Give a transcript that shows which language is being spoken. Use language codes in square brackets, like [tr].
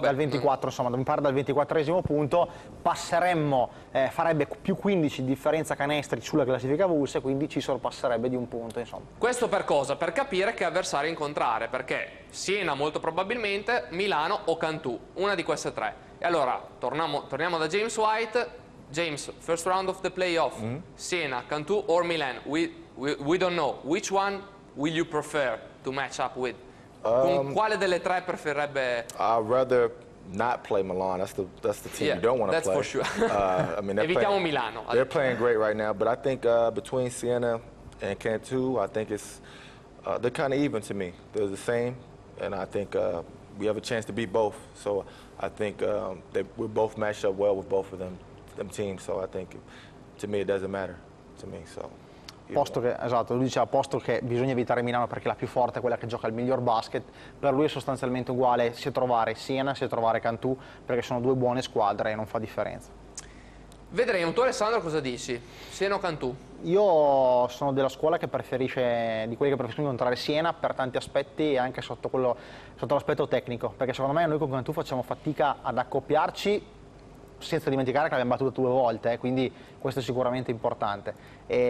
[it] dal 24 insomma, mi pare dal 24esimo punto, passeremmo, farebbe più 15 di differenza canestri sulla classifica avulsa. E quindi ci sorpasserebbe di un punto, insomma. Questo per cosa? Per capire che avversario incontrare, perché Siena molto probabilmente, Milano o Cantù, una di queste tre. E allora torniamo da James White. [en] James, first round of the playoff, Siena, Cantù or Milan, we don't know, which one will you prefer to match up with? [it] Con quale delle tre preferirebbe? [en] I'd rather not play Milan, that's the team you don't want to play. That's for sure. [it] Evitiamo Milano. [en] They're playing great right now, but I think between Siena and Cantù, I think it's they're kind of even to me. They're the same, and I think we have a chance to beat both. So I think that we both match up well with both of them teams. So I think to me it doesn't matter to me. So. [it] Posto che, esatto, lui diceva posto che bisogna evitare Milano perché la più forte è quella che gioca il miglior basket, per lui è sostanzialmente uguale se trovare Siena, se trovare Cantù, perché sono due buone squadre e non fa differenza. Vedremo, tu Alessandro cosa dici? Siena o Cantù? Io sono della scuola che preferisce, di quelli che preferiscono incontrare Siena per tanti aspetti e anche sotto l'aspetto tecnico, perché secondo me noi con Cantù facciamo fatica ad accoppiarci, senza dimenticare che l'abbiamo battuto due volte, quindi questo è sicuramente importante.